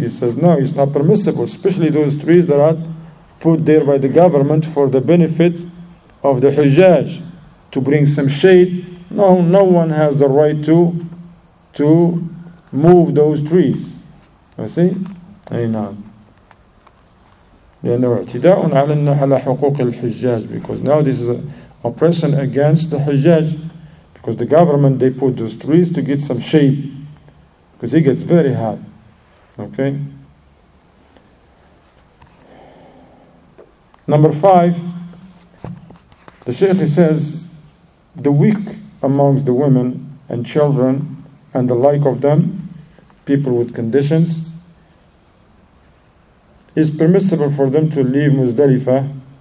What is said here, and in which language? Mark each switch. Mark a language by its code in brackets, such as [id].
[en] He says, no, it's not permissible, especially those trees that are put there by the government for the benefit of the Hujjaj, to bring some shade. No one has the right to move those trees. You see? Aynan. [ar] لأنه اعتداء على النحل حقوق الحجاج. [en] Because now this is oppression against the Hujjaj. Because the government, they put those trees to get some shade. Because it gets very hot. Okay. Number 5, the Shaykh says, the weak amongst the women and children and the like of them, people with conditions, it's permissible for them to leave Muzdalifah